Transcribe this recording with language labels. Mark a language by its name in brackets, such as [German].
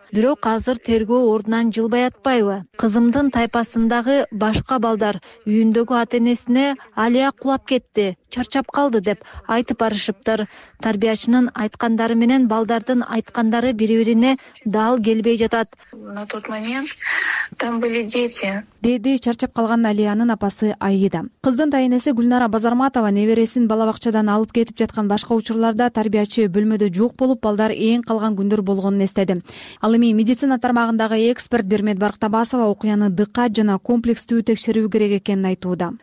[Kyrgyz] Бирок азыр тергөө ордунан жылбай атпайбы? Кызымдын тайпасындагы башка балдар үйүндөгү ата-энесине Алия кулап кетти, чарчап калды деп айтып барышыптыр. Тарбиячынын айткандары менен балдардын айткандары бири бирине дал келбей жатат. [Russian] На тот момент там были дети. [Kyrgyz] Деди чарчап калган Алиянын апасы Аида. Кыздын тайэнеси Гүлнара Базарматова небересин бала бакчадан алып кетип жаткан башка учурларда тарбиячы бөлмөдө жок болуп, балдар ээн калган күндөр болгонун эстеди. Ал эми медицина тармагындагы эксперт Бермет Барктабасова окуяны дыкат жана комплекстүү текшерүү керек экенин айтууда.